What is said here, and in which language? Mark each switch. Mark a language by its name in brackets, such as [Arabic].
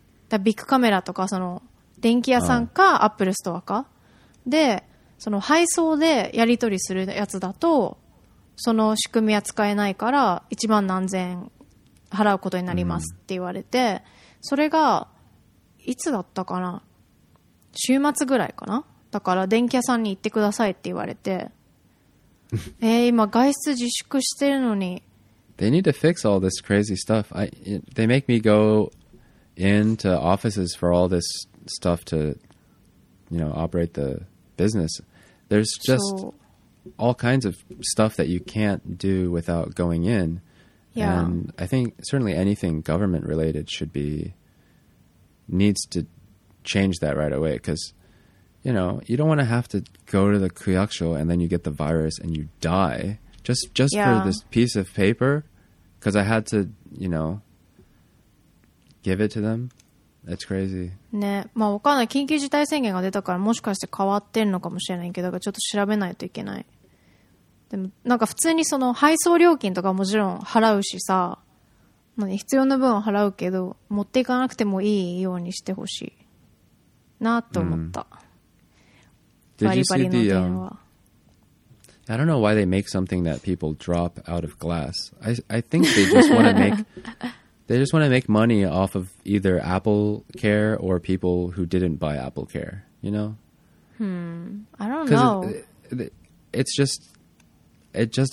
[Japanese] だビッグカメラとかその電気屋さんかアップルストアか、でその配送でやり取りするやつだとその仕組みは使えないから1万何千払うことになりますって言われて、うん、それがいつだったかな、週末ぐらいかな、だから電気屋さんに行ってくださいって言われて今外出自粛してるのに。 [English] They need to fix all this crazy stuff. They make me go into offices for all this stuff to, you know, operate the business. There's just all kinds of stuff that you can't do without going in. Yeah. And I think certainly anything government related should beneeds to change that right away, because you know you don't want to have to go to the kyakusho and then you get the virus and you die just yeah. for this piece of paper, because I had to, you know, give it to them. That's crazy. [Japanese] ね、まあ分かんない、緊急事態宣言が出たからもしかして変わってるのかもしれないけど、ちょっと調べないといけない。でもなんか普通にその配送料金とかもちろん払うしさ、必要な分は払うけど持っていかなくてもいいようにしてほしいなと思った、 mm. バリバリの電話。 [English] I don't know why they make something that people drop out of glass. I think they just want to make they just want to make money off of either Apple Care or people who didn't buy Apple Care, you know? I don't know. It just